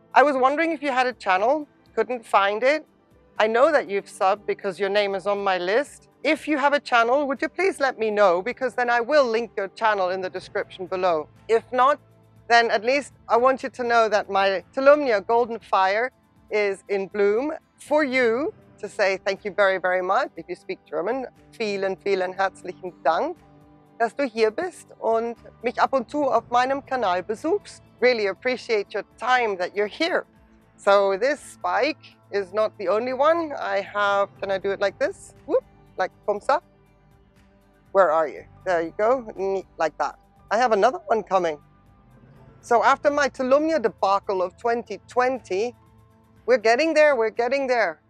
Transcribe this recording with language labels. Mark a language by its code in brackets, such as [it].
[en] I was wondering if you had a channel, couldn't find it. I know that you've subbed because your name is on my list. If you have a channel, would you please let me know, because then I will link your channel in the description below. If not, then at least I want you to know that my Telumnia Golden Fire is in bloom for you to say thank you very, very much. If you speak German, [de] vielen, vielen herzlichen Dank, dass du hier bist und mich ab und zu auf meinem Kanal besuchst. [en] Really appreciate your time that you're here. So this spike is not the only one I have. Can I do it like this? Whoop, like pumsa. Where are you? There you go, like that. I have another one coming. So after my Telumnia debacle of 2020, we're getting there, we're getting there.